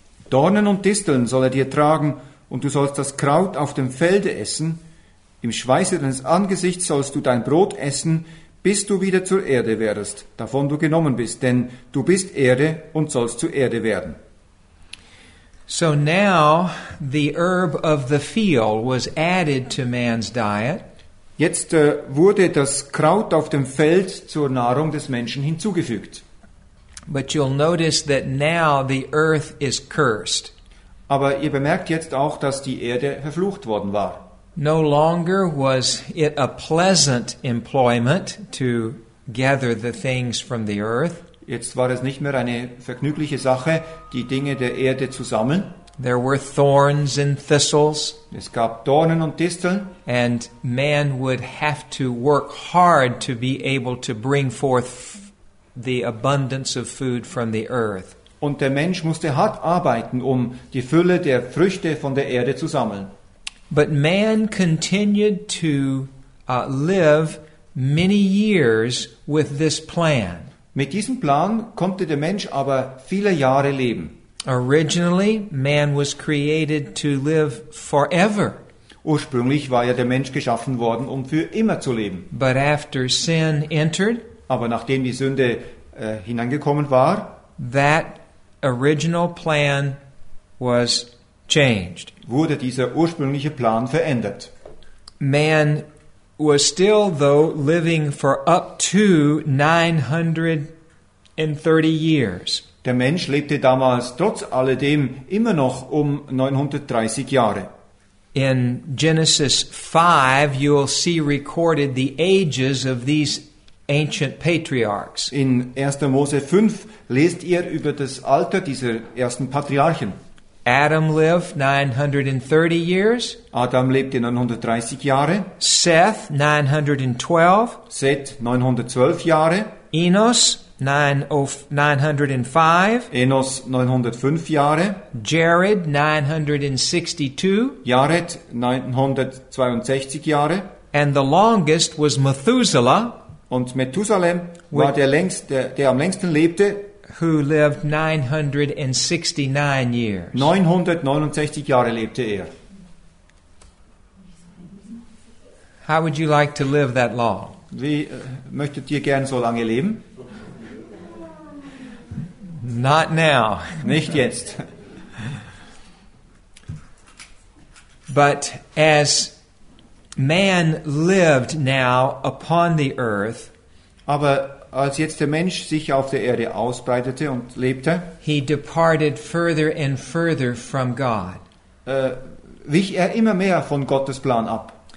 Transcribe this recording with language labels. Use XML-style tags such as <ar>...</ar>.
<de>Dornen und Disteln soll er dir tragen, und du sollst das Kraut auf dem Felde essen. Im Schweiße deines Angesichts sollst du dein Brot essen, bis du wieder zur Erde werdest, davon du genommen bist, denn du bist Erde und sollst zu Erde werden.</de> <en>So now the herb of the field was added to man's diet.</en> <de>Jetzt wurde das Kraut auf dem Feld zur Nahrung des Menschen hinzugefügt.</de> <en>But you'll notice that now the earth is cursed.</en> <de>Aber ihr bemerkt jetzt auch, dass die Erde verflucht worden war.</de> <en>No longer was it a pleasant employment to gather the things from the earth.</en> <de>Jetzt war es nicht mehr eine vergnügliche Sache, die Dinge der Erde zu sammeln.</de> <en>There were thorns and thistles.</en> <de>Es gab Dornen und Disteln.</de> <en>And man would have to work hard to be able to bring forth the abundance of food from the earth.</en> <de>Und der Mensch musste hart arbeiten, um die Fülle der Früchte von der Erde zu sammeln.</de> <en>But man continued to live many years with this plan.</en> <de>Mit diesem Plan konnte der Mensch aber viele Jahre leben.</de> <en>Originally, man was created to live forever.</en> <de>Ursprünglich war ja der Mensch geschaffen worden, um für immer zu leben.</de> <en>But after sin entered,</en> <de>aber nachdem die Sünde hineingekommen war,</de> <en>that original plan was changed.</en> <de>Wurde dieser ursprüngliche Plan verändert.</de> <en>Man was still, though, living for up to 930 years.</en> <de>Der Mensch lebte damals trotz alledem immer noch um 930 Jahre.</de> <en>In Genesis 5, you will see recorded the ages of these ancient patriarchs.</en> <de>In 1. Mose 5 lest ihr über das Alter dieser ersten Patriarchen.</de> <en>Adam lived 930 years.</en> <de>Adam lebte 930 Jahre.</de> <en>Seth 912.</en> <de>Seth 912 Jahre.</de> <en>Enos 905.</en> <de>Enos 905 Jahre.</de> <en>Jared 962.</en> <de>Jared 962 Jahre.</de> <en>And the longest was Methuselah.</en> <de>Und Methusalem war der längste, der am längsten lebte.</de> <en>Who lived 969 years.</en> <de>969 Jahre lebte er.</de> <en>How would you like to live that long?</en> <de>Wie möchtet ihr gern so lange leben?</de> <en>Not now.</en> <de>Nicht jetzt.</de> <en>But as man lived now upon the earth,</en> <de>aber als jetzt der Mensch sich auf der Erde ausbreitete und lebte,</de> <en>he departed further and further from God.</en> <de>Wich er immer mehr von Gottes Plan ab.</de>